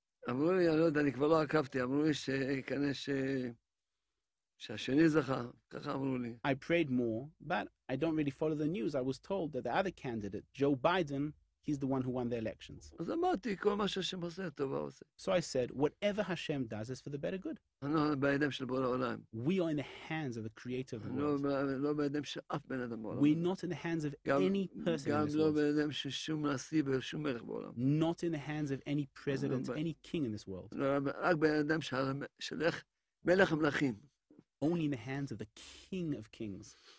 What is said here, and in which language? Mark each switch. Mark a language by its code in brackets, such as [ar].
[he] אמרו לי, אני לא יודע, אני כבר לא עקבתי, אמרו לי שכנראה ש... שהשני זכה, ככה אמרו לי. [en] I prayed more, but I don't really follow the news. I was told that the other candidate, Joe Biden, he's the one who won the elections. [he] אז אמרתי, כל מה שהשם עושה, טוב הוא עושה. [en] So I said, whatever Hashem does is for the better good. [he] אני לא בידיים של בורא עולם. [en] We are in the hands of the creator of the world. [he] אני לא בידיים של אף בן אדם בעולם. [en] We're not in the hands of any person in this world. [he] גם לא בידיים של שום נשיא ושום מלך בעולם. [en] Not in the hands of any president, any king in this world. [he] רק בידיים של מלך המלכים. [en] Only in the hands of the king of kings.